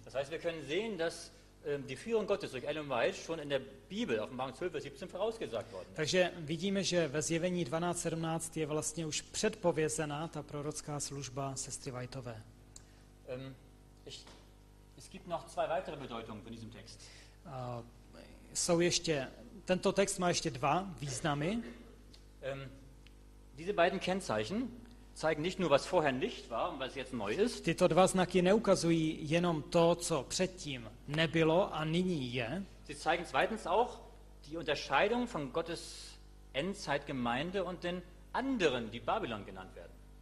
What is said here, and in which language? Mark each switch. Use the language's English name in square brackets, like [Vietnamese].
[German] Das heißt, wir können sehen, dass die Führung Gottes durch Ellen White schon in der Bibel Offenbarung 12, 17 vorausgesagt worden. [Czech] Takže vidíme, že ve Zjevení 12:17 je vlastně už předpovězena ta prorocká služba sestry Whiteové. [German] Es gibt noch zwei weitere Bedeutungen von diesem Text. [Czech] Jsou ještě, tento text má ještě dva významy. [German] Diese beiden Kennzeichen zeigen nicht nur, was vorher nicht war und was jetzt neu ist. [Czech] Tyto dva znaky neukazují jenom to, co předtím nebylo a nyní je. [German] Sie zeigen zweitens auch die Unterscheidung von Gottes Endzeitgemeinde und den anderen, die Babylon genannt werden.